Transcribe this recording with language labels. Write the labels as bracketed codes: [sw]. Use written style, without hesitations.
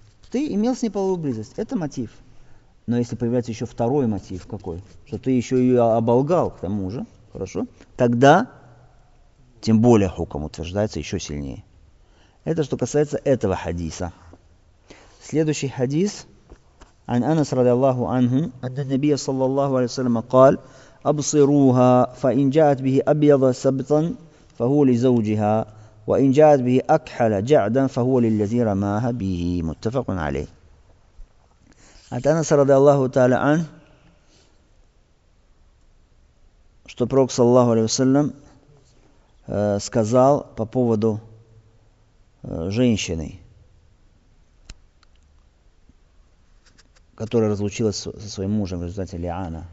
[ru] Ты имел с ней половую близость, это мотив. Но если появляется еще второй мотив, какой? Что ты еще ее оболгал, к тому же, хорошо? Тогда, тем более, хукм утверждается еще сильнее. Это что касается этого хадиса. Следующий хадис. [ar] عن أنس رضي الله عنه أن النبي صلى الله عليه وسلم قال أبصروها فإن جاءت به أبيض سبطا فهو لزوجها وإن جاءت به أكحل جعدا فهو للذي رماها به متفق عليه. عن أنس رضي الله تعالى عنه [ru] что пророк [ar] صلى الله عليه وسلم [ru] сказал по поводу женщины, которая разлучилась со своим мужем в результате лиана.